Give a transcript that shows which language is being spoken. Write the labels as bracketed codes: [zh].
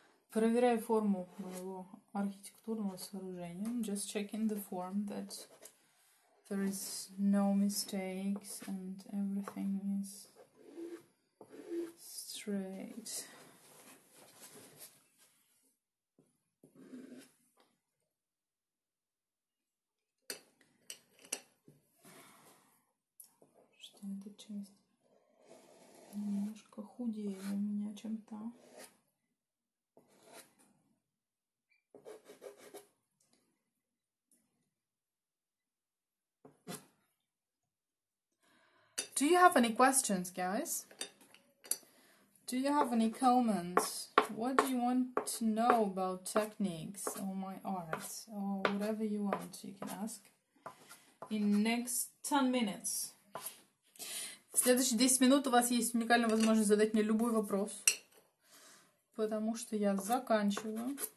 [ru] Проверяю форму моего архитектурного сооружения. [en] I'm just checking the form that there is no mistakes and everything is straight. [ru] Что эта часть немножко худее у меня, чем та. [en] Do you have any questions, guys? Do you have any comments? What do you want to know about techniques or my art? Or whatever you want, you can ask in next 10 minutes. [ru] В следующие 10 минут у вас есть уникальная возможность задать мне любой вопрос, потому что я заканчиваю.